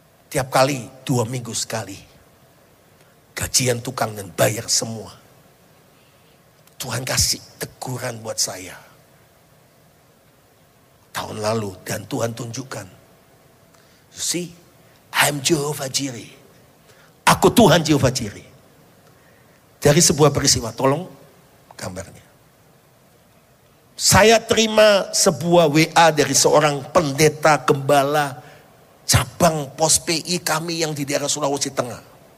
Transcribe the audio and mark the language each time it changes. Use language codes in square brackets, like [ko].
[id] Tiap kali, dua minggu sekali. Gajian tukang dan bayar semua. Tuhan kasih teguran buat saya. Tahun lalu dan Tuhan tunjukkan. [en] You see, I'm Jehovah Jireh. [id] Aku Tuhan Jehovah Jireh. Dari sebuah peristiwa, tolong gambarnya. Saya terima sebuah WA dari seorang pendeta gembala cabang pos PI kami yang di daerah Sulawesi Tengah.